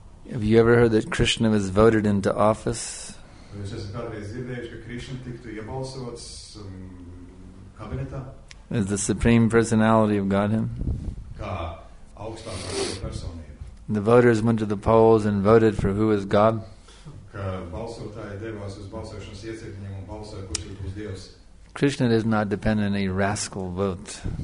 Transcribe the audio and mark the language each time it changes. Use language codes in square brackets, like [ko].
[en] Have you ever heard that Krishna was voted into office? [lv] Jūs esat kādreiz dzirdējuši, ka Krishna tiktu iebalsots kabinetā? [en] As the supreme personality of Godhead? [lv] Kā augstākā personība. [en] The voters went to the polls and voted for who is God? [lv] Kā balsotāji devās uz balsošanas iecirkņiem un balsoja, kurš ir Dievs. [en] Krishna does not depend on a rascal vote.